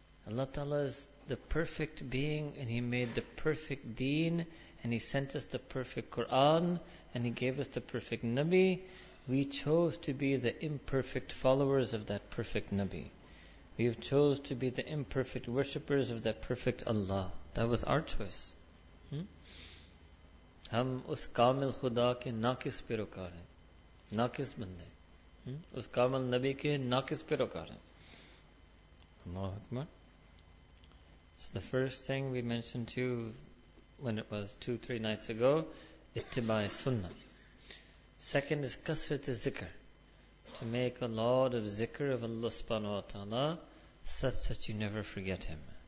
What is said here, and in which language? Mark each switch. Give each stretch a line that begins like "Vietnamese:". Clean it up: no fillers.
English: Allah ta'ala is the perfect being and He made the perfect deen and He sent us the perfect Quran and He gave us the perfect Nabi. We chose to be the imperfect followers of that perfect Nabi. We have chose to be the imperfect worshippers of that perfect Allah. That was our choice.
Urdu: ہم اس کامل خدا کے ناقص پیروکار ہیں، ناقص بندے، اس کامل نبی کے ناقص پیروکار ہیں۔
Arabic: Allahu akbar.
English: So the first thing we mentioned to you when it was 2-3 nights ago, ittiba'i sunnah. Second is kasrat zikr, to make a lot of zikr of Allah subhanahu wa ta'ala such that you never forget Him.